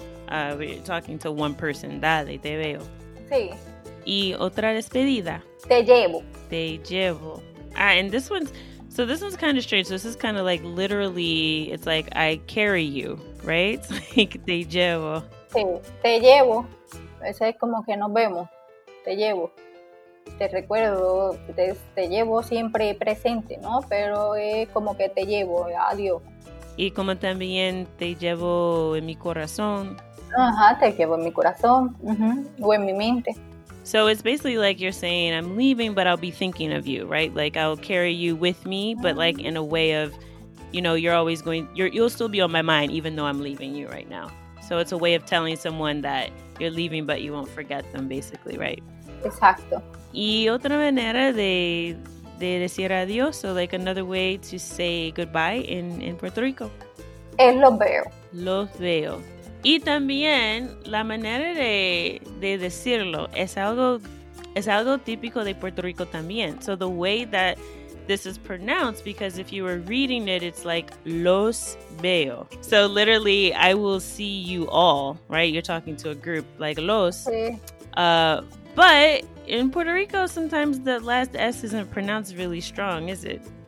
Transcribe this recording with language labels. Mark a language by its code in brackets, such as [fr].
[en] We're talking to one person. [es] Dale, te veo. Sí. Y otra despedida. Te llevo. Te llevo. [en] Ah, and this one's kind of strange. So this is kind of like literally, it's like I carry you, right? It's like [es] te llevo. Sí, te llevo. Ese es como que nos vemos. Te llevo. Te recuerdo, te llevo siempre presente, ¿no? Pero es como que te llevo, adiós. Y como también te llevo en mi corazón. Ajá, te llevo en mi corazón. Uh-huh. O en mi mente. [en] So it's basically like you're saying, I'm leaving, but I'll be thinking of you, right? Like, I'll carry you with me, but like in a way of, you know, you're always going, you'll still be on my mind, even though I'm leaving you right now. So it's a way of telling someone that you're leaving, but you won't forget them, basically, right? [es] Exacto. Y otra manera de decir adiós, [en] so like another way to say goodbye in Puerto Rico. [es] Es los veo. Los veo. Y también la manera de decirlo es algo típico de Puerto Rico también. [en] So the way that this is pronounced, because if you were reading it, it's like [es] los veo. [en] So literally, I will see you all, right? You're talking to a group like los. [es] Sí. [en] But in Puerto Rico, sometimes the last S isn't pronounced really strong, is it?